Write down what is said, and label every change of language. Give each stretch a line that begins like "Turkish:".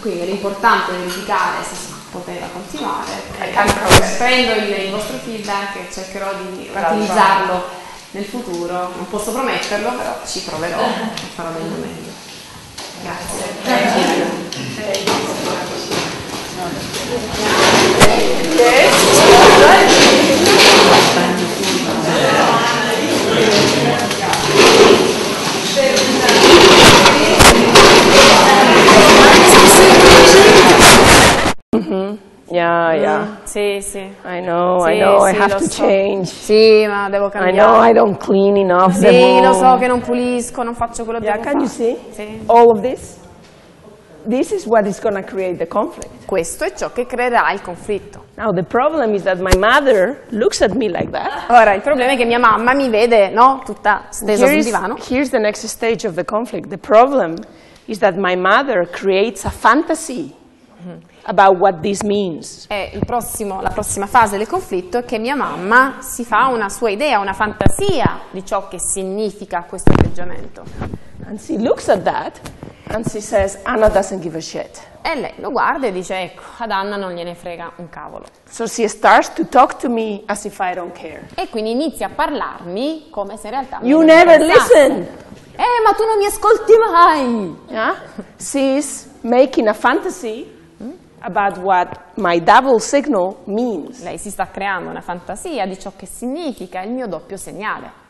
Italian: Quindi è importante verificare se si poteva continuare.
English: I can progress.
Italian: Prendo il vostro feedback e cercherò di utilizzarlo nel futuro. Non posso prometterlo, però ci proverò e farò del mio meglio. Grazie.
English: Thank you. Yeah.
Italian: Sì.
English: I know. Sì, I have to change.
Italian: Sì, ma devo cambiare.
English: I know I don't clean enough.
Italian: Sì, lo so che non pulisco, non faccio quello che devo fare.
English: Yeah, can you see? All of this? This is what is going to create the conflict.
Italian: Questo è ciò che creerà il conflitto.
English: Now the problem is that my mother looks at me like that.
Italian: Ora il problema è che mia mamma mi vede, no, tutta stesa sul divano.
English: Here's the next stage of the conflict. The problem is that my mother creates a fantasy about what this means.
Italian: È la prossima fase del conflitto è che mia mamma si fa una sua idea, una fantasia di ciò che significa questo atteggiamento.
English: And she looks at that. And she says, Anna doesn't give a shit.
Italian: E lei lo guarda e dice, ecco, ad Anna non gliene frega un cavolo.
English: So she starts to talk to me as if I don't care.
Italian: E quindi inizia a parlarmi come se in realtà...
English: You never listen!
Italian: Ma tu non mi ascolti mai!
English: Yeah? She's making a fantasy about what my double signal means.
Italian: Lei si sta creando una fantasia di ciò che significa il mio doppio segnale.